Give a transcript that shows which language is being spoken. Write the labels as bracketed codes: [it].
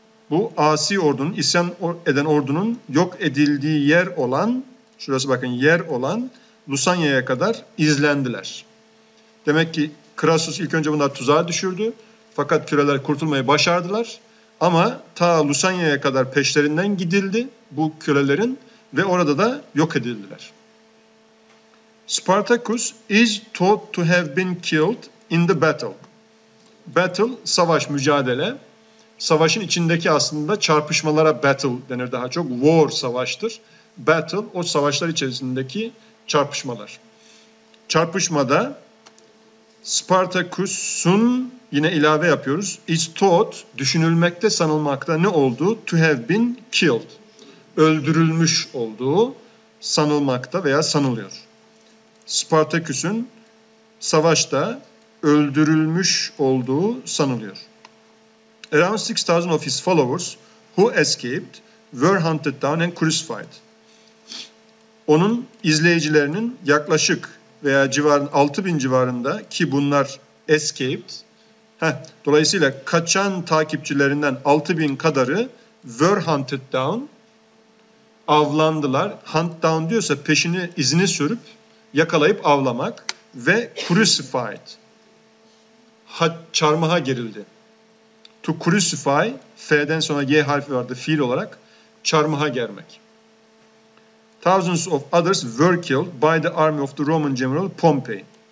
[tr] Bu asi ordunun, isyan eden ordunun yok edildiği yer olan, şurası bakın yer olan Lusania'ya kadar izlendiler. Demek ki Crassus ilk önce bunları tuzağa düşürdü. Fakat köleler kurtulmayı başardılar. Ama ta Lusania'ya kadar peşlerinden gidildi bu kölelerin ve orada da yok edildiler. [en] Spartacus is thought to have been killed in the battle. [tr] Battle, savaş, mücadele. Savaşın içindeki aslında çarpışmalara battle denir daha çok. War, savaştır. Battle, o savaşlar içerisindeki çarpışmalar. Çarpışmada Spartacus'un, yine ilave yapıyoruz, [en] is thought, [tr] düşünülmekte, sanılmakta ne olduğu, [en] to have been killed, [tr] öldürülmüş olduğu sanılmakta veya sanılıyor. Spartacus'un savaşta öldürülmüş olduğu sanılıyor. [en] Around 6,000 of his followers who escaped were hunted down and crucified. [tr] Onun izleyicilerinin yaklaşık veya civarın 6,000 civarında ki bunlar escaped. Dolayısıyla kaçan takipçilerinden 6,000 kadarı [en] were hunted down, [tr] avlandılar. Hunt down diyorsa peşini, izini sürüp yakalayıp avlamak ve crucified. Çarmıha gerildi. To crucify, F'den sonra Y harfi vardı fiil olarak, çarmıha germek. [en] Thousands of others were killed by the army of the Roman general Pompey.